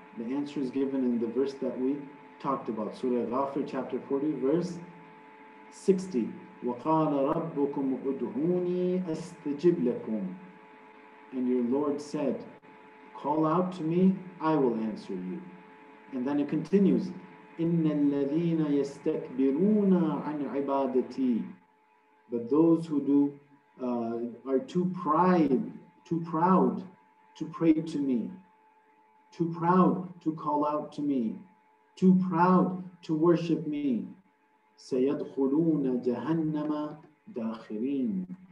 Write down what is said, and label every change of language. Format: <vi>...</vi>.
<en>The answer is given in the verse that we talked about, Surah Ghafir, chapter 40, verse 60.</en> <ar>وَقَالَ رَبُّكُمْ اُدْعُونِي أَسْتَجِبْ لَكُمْ.</ar> <en>And your Lord said, call out to me, I will answer you. And then it continues,</en> <ar>إِنَّ الَّذِينَ يَسْتَكْبِرُونَ عَنْ عِبَادَتِي.</ar> <en>But those who are too proud to pray to me, too proud to call out to me, too proud to worship me,</en> <ar>سَيَدْخُلُونَ جَهَنَّمَ دَاخِرِينَ.</ar>